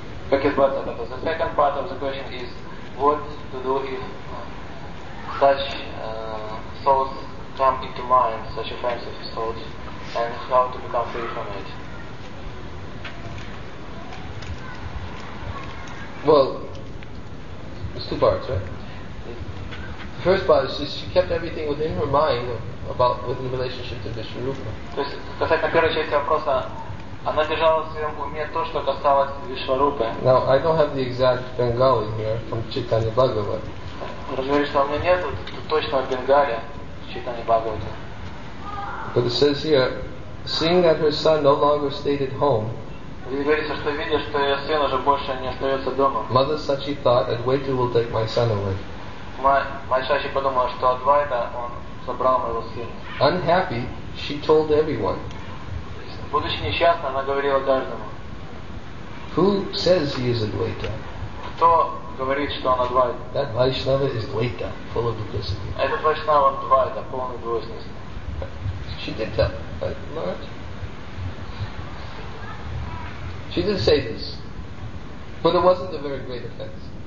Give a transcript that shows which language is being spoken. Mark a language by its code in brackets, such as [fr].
[ru] Как избавиться от этого? [en] The second part of the question is what to do if such thoughts come into mind, such offensive thoughts, and how to become free from it? Well, it's two parts, right? The first part is she kept everything within her mind about within relationship to Vishwarupa. [ru] То есть, касательно первой части вопроса, она держала в своем уме то, что касалось Вишварупы. [en] Now, I don't have the exact Bengali here from Chaitanya Bhagavat. [ru] Разговорить, что у меня нет точного Бенгали Чайтани Бхагавата. [en] But it says here, seeing that her son no longer stayed at home, [ru] говорится, что видя, что ее сын уже больше не остается дома, [en] Mother Sachi thought Advaita will take my son away. [ru] Мать Сачи подумала, что Адвайта, он забрал моего сына. [en] Unhappy, she told everyone. [ru] Будучи несчастной, она говорила каждому. [en] Who says he is Advaita? [ru] Кто говорит, что он Адвайта? [en] That Vaishnava is Dvaita, full of duplicity. [ru] Этот Вайшнава Адвайта, полный двойственности. [en] She did tell, right? Lord. She didn't say this, but it wasn't a very great offense.